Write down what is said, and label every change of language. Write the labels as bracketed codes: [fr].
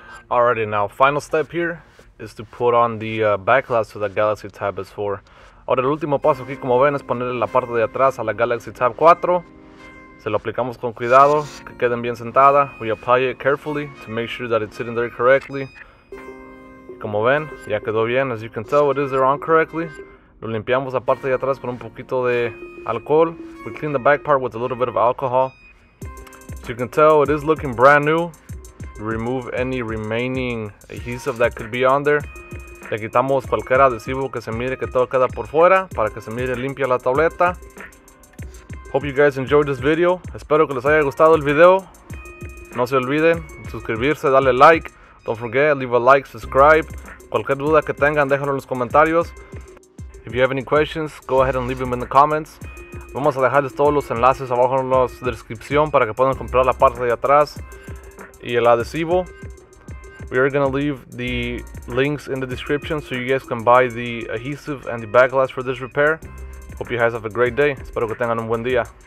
[en] Alrighty, now final step here is to put on the backglass to the Galaxy Tab S4. [es] Ahora el último paso aquí, como ven, es ponerle la parte de atrás a la Galaxy Tab 4. Se lo aplicamos con cuidado, que queden bien sentada. [en] We apply it carefully to make sure that it's sitting there correctly. [es] Como ven, ya quedó bien. [en] As you can tell, it is there on correctly. [es] Lo limpiamos la parte de atrás con un poquito de alcohol. [en] We clean the back part with a little bit of alcohol. As you can tell, it is looking brand new. Remove any remaining adhesive that could be on there. [es] Le quitamos cualquier adhesivo que se mire que todo queda por fuera para que se mire limpia la tableta. [en] Hope you guys enjoyed this video. [es] Espero que les haya gustado el video. No se olviden suscribirse, darle like. [en] Don't forget, leave a like, subscribe. [es] Cualquier duda que tengan, déjenlo en los comentarios. [en] If you have any questions, go ahead and leave them in the comments. [es] Vamos a dejarles todos los enlaces abajo en la descripción para que puedan comprar la parte de atrás y el adhesivo. [en] We are going to leave the links in the description so you guys can buy the adhesive and the backglass for this repair. Hope you guys have a great day. [es] Espero que tengan un buen día.